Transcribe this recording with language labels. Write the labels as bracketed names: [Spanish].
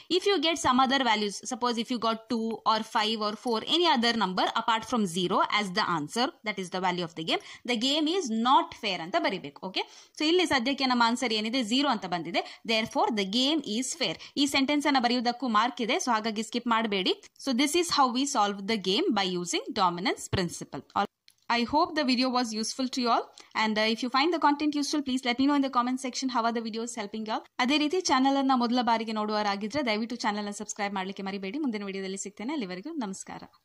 [English] if you get some other values, suppose if you got two or five or four any other number apart from zero as the answer, that is the value of the game, the game is not fair [Kannada] ಅಂತ ಬರೀಬೇಕು. Okay, so ಇಲ್ಲಿ ಸದ್ಯಕ್ಕೆ ನಮ್ಮ answer ಏನಿದೆ, zero ಅಂತ ಬಂದಿದೆ. [English] Therefore the game is fair. [Kannada] ಈ sentence ಅನ್ನ ಬರೆಯುವುದಕ್ಕೂ ಮಾರ್ಕ್ ಇದೆ, ಸೊ ಹಾಗಾಗಿ ಸ್ಕಿಪ್ ಮಾಡಬೇಡಿ. [English] So this is how we solve the game by using dominance principle. I hope the video was useful to you all, and if you find the content useful, please let me know in the comment section how are the videos helping you all. [Kannada] ಅದೇ ರೀತಿ channel ಅನ್ನ ಮೊದಲ ಬಾರಿಗೆ ನೋಡುವವರಾಗಿದ್ರೆ ದಯವಿಟ್ಟು channel ಅನ್ನು subscribe ಮಾಡಲಿಕ್ಕೆ ಮರಿಬೇಡಿ. ಮುಂದಿನ ವಿಡಿಯೋದಲ್ಲಿ ಸಿಗ್ತೇನೆ, ಅಲ್ಲಿವರೆಗೂ ನಮಸ್ಕಾರ.